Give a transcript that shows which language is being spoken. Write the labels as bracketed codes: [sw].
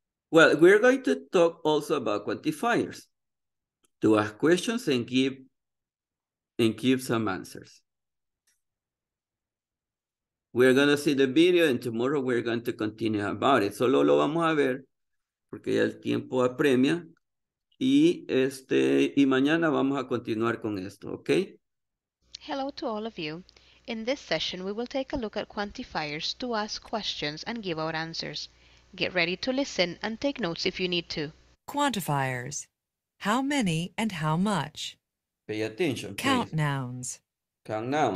[en] Well, we're going to talk also about quantifiers, to ask questions and give some answers. We're going to see the video, and tomorrow we're going to continue about it. [es] Solo lo vamos a ver porque ya el tiempo apremia. Y y mañana vamos a continuar con esto, ¿okay? [en] Hello to all of you. In this session, we will take a look at quantifiers to ask questions and give out answers. Get ready to listen and take notes if you need to. Quantifiers. How many and how much? Pay attention, please. Count nouns. Count nouns.